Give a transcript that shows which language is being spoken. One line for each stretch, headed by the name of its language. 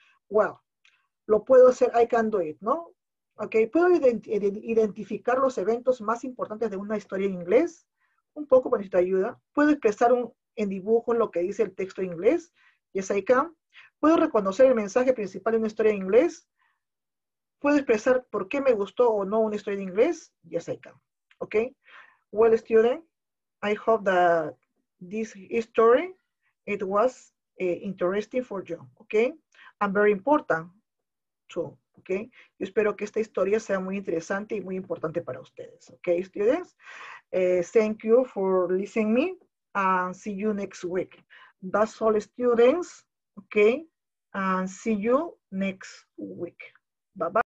Spanish: Well, lo puedo hacer,
English: I can do it,
Spanish: ¿no? Ok, ¿puedo identificar los eventos más importantes de una historia en inglés? Un poco, pero necesito ayuda. ¿Puedo expresar en dibujo lo que dice el texto en inglés?
English: Yes, I can.
Spanish: ¿Puedo reconocer el mensaje principal de una historia en inglés? ¿Puedo expresar por qué me gustó o no una historia en inglés?
English: Yes, I can. Ok. Well, student, I hope that this story, it was interesting for you. Ok. And very important too. Ok.
Spanish: Yo espero que esta historia sea muy interesante y muy importante para ustedes.
English: Ok, students. Thank you for listening to me and see you next week. That's all, students. Okay, and see you next week. Bye bye.